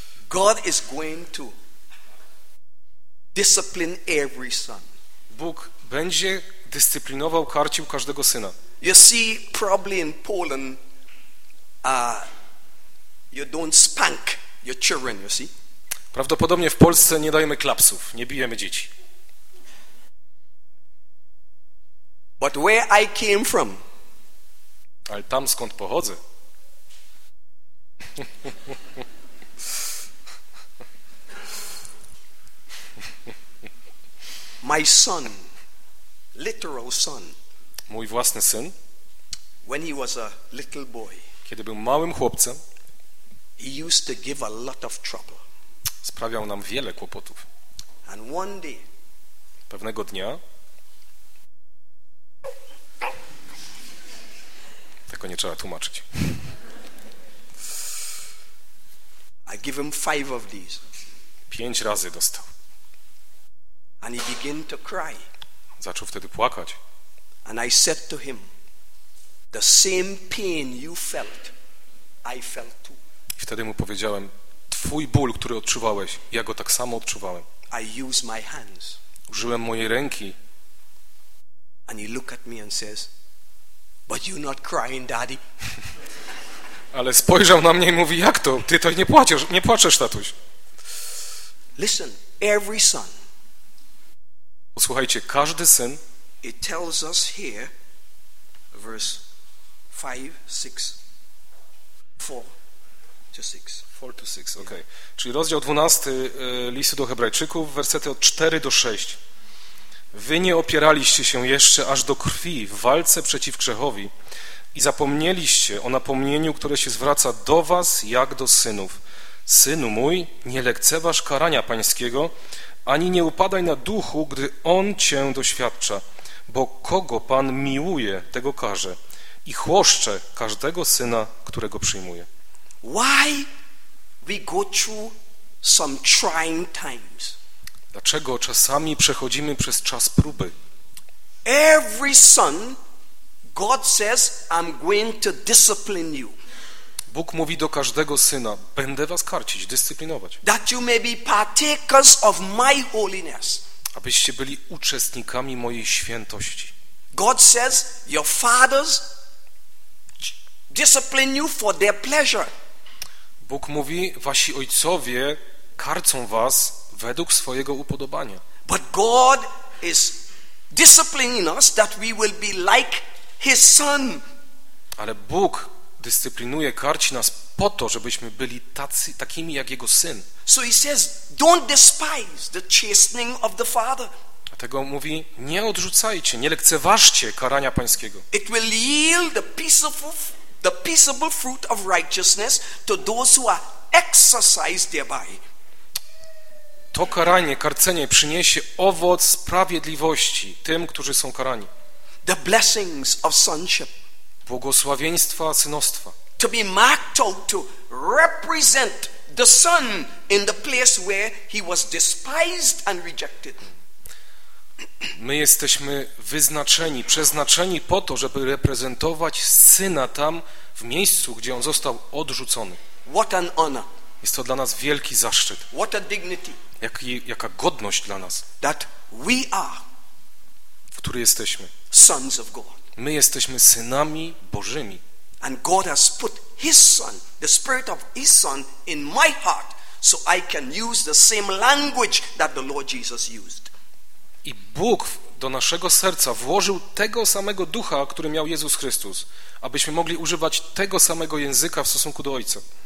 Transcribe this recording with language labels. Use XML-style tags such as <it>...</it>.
<en>God is going to discipline every son.</en> <pl>Bóg będzie dyscyplinował, karcił każdego syna.</pl> <en>You see, probably in Poland, you don't spank your children, you see?</en> <pl>Prawdopodobnie w Polsce nie dajemy klapsów, nie bijemy dzieci.</pl> <en>But where I came from,</en> <pl>ale tam, skąd pochodzę.</pl> <en>My son, literal son,</en> <pl>mój własny syn,</pl> <en>when he was a little boy,</en> <pl>kiedy był małym chłopcem,</pl> <en>he used to give a lot of trouble.</en> <pl>Sprawiał nam wiele kłopotów.</pl> <en>And one day,</en> <pl>pewnego dnia, tego nie trzeba tłumaczyć,</pl> <en>I give him five of these.</en> <pl>Pięć razy dostał.</pl> <en>And he began to cry.</en> <pl>Zaczął wtedy płakać.</pl> <en>And I said to him, the same pain you felt, I felt too.</en> <pl>I wtedy mu powiedziałem, twój ból, który odczuwałeś, ja go tak samo odczuwałem.</pl> <en>I use my hands.</en> <pl>Użyłem mojej ręki.</pl> <en>And he looked at me and says, but you're not crying, daddy.</en> <pl>Ale spojrzał na mnie i mówi, jak to? Ty to nie płaczesz, tatuś.</pl> <en>Listen, every son.</en> <pl>Posłuchajcie, każdy syn.</pl> <en>It tells us here, verse 4 to 6. Okay. Yeah.</en> <pl>Czyli rozdział 12 listu do Hebrajczyków, wersety od 4 do 6. Wy nie opieraliście się jeszcze aż do krwi w walce przeciw grzechowi i zapomnieliście o napomnieniu, które się zwraca do was jak do synów. Synu mój, nie lekceważ karania pańskiego, ani nie upadaj na duchu, gdy on cię doświadcza, bo kogo pan miłuje, tego karze i chłoszcze każdego syna, którego przyjmuje.</pl> <en>Why we go through some trying times?</en> <pl>Dlaczego czasami przechodzimy przez czas próby?</pl> <en>Every son, God says, I'm going to discipline you.</en> <pl>Bóg mówi do każdego syna, będę was karcić, dyscyplinować.</pl> <en>That you may be partakers of my holiness.</en> <pl>Abyście byli uczestnikami mojej świętości.</pl> <en>God says, your fathers discipline you for their pleasure.</en> <pl>Bóg mówi, wasi ojcowie karcą was według swojego upodobania.</pl> <en>But God is disciplining us that we will be like his son.</en> <pl>Ale Bóg dyscyplinuje, karci nas po to, żebyśmy byli tacy, takimi jak jego syn.</pl> <en>So he says, don't despise the chastening of the father.</en> <pl>Dlatego mówi, nie odrzucajcie, nie lekceważcie karania pańskiego.</pl> <en>It will yield the peaceable fruit of righteousness to those who are exercised thereby.</en> <pl>To karanie, karcenie przyniesie owoc sprawiedliwości tym, którzy są karani.</pl> <en>The blessings of sonship.</en> <pl>Błogosławieństwa synostwa.</pl> <en>To be marked out to represent the son in the place where he was despised and rejected.</en> <pl>My jesteśmy wyznaczeni, przeznaczeni po to, żeby reprezentować syna tam, w miejscu, gdzie on został odrzucony.</pl> <en>What an honor.</en> <pl>Jest to dla nas wielki zaszczyt.</pl> <en>What a dignity.</en> <pl>Jaka godność dla nas.</pl> <en>That we are,</en> <pl>który jesteśmy,</pl> <en>sons of God.</en> <pl>My jesteśmy synami Bożymi.</pl> <en>And God has put his son, the spirit of his son in my heart, so I can use the same language that the Lord Jesus used.</en> <pl>I Bóg do naszego serca włożył tego samego ducha, który miał Jezus Chrystus, abyśmy mogli używać tego samego języka w stosunku do Ojca.</pl>